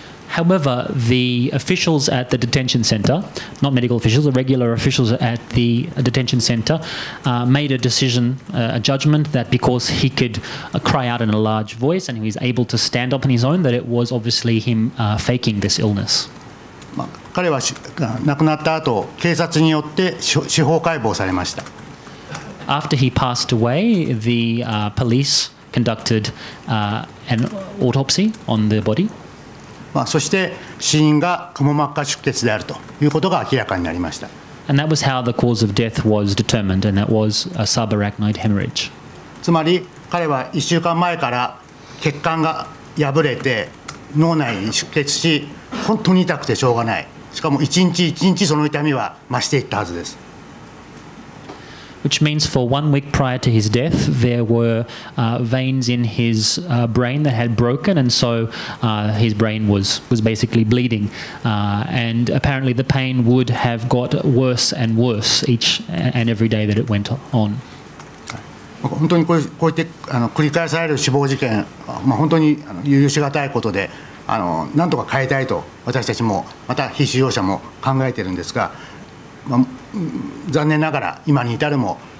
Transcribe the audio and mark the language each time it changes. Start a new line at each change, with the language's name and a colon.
English: However, the officials at the detention center, not medical officials, the regular officials at the detention center, made a decision, a judgment that because he could cry out in a large voice and he was able to stand up on his own, that it was obviously him faking this illness.
Japanese: 彼は亡くなった後、警察によって司法解剖されました。
English: After he passed away, the police conducted an autopsy on the body.
Japanese: そして死因がくも膜下出血であるということが明らかになりました。
English: And that was how the cause of death was determined, and that was a subarachnoid hemorrhage.
Japanese: つまり彼は1週間前から血管が破れて脳内に出血し、本当に痛くてしょうがない。しかも1日1日その痛みは増していったはずです。
English: Which means for 1 week prior to his death, there were veins in his brain that had broken, and so his brain was basically bleeding. And apparently the pain would have got worse and worse each and every day that it went on.
Japanese: 本当にこうやって繰り返される死亡事件、まあ、本当に許しがたいことで、なんとか変えたいと私たちも、また被収容者も考えているんですが、残念ながら今に至るも